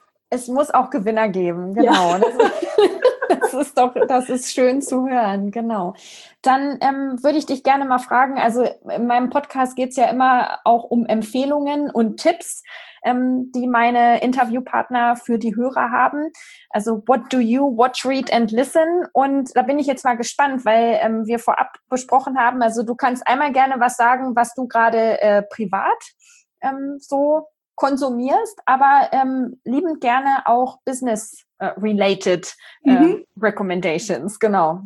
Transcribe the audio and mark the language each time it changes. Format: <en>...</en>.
<de>Es muss auch Gewinner geben, genau. Ja. Das ist schön zu hören, genau. Dann würde ich dich gerne mal fragen, also in meinem Podcast geht es ja immer auch um Empfehlungen und Tipps, die meine Interviewpartner für die Hörer haben.</de> <en>Also what do you watch, read and listen?</en> <de>Und da bin ich jetzt mal gespannt, weil wir vorab besprochen haben, also du kannst einmal gerne was sagen, was du gerade privat so konsumierst, aber liebend gerne auch Business-related Recommendations, genau.</de>